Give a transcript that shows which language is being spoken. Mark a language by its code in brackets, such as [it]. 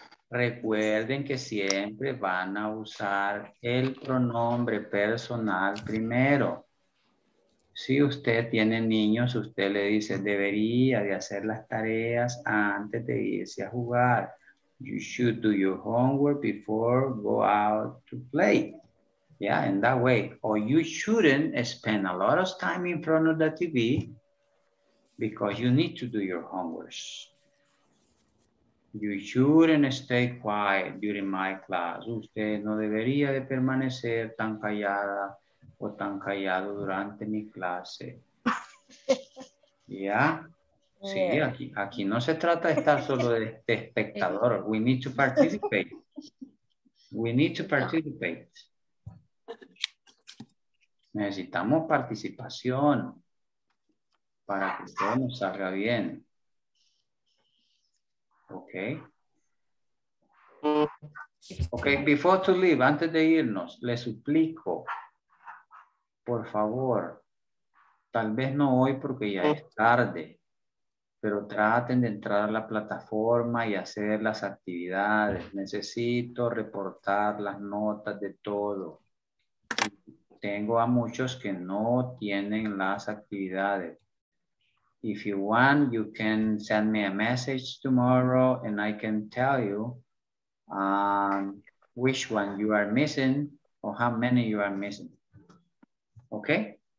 [es] Recuerden que siempre van a usar el pronombre personal primero. Si usted tiene niños, usted le dice debería de hacer las tareas antes de irse a jugar. [en] You should do your homework before go out to play. Yeah, in that way. Or you shouldn't spend a lot of time in front of the TV because you need to do your homework. You shouldn't stay quiet during my class. [es] Usted no debería de permanecer tan callada o tan callado durante mi clase. Yeah? Sí, aquí no se trata de estar solo de espectador. [en] We need to participate. [es] Necesitamos participación para que todo nos salga bien. Okay, [en] before to leave, [es] antes de irnos, le suplico, por favor, tal vez no hoy porque ya es tarde, pero traten de entrar a la plataforma y hacer las actividades. Necesito reportar las notas de todo. Tengo a muchos que no tienen las actividades. [en] If you want, you can send me a message tomorrow and I can tell you which one you are missing or how many you are missing. Okay?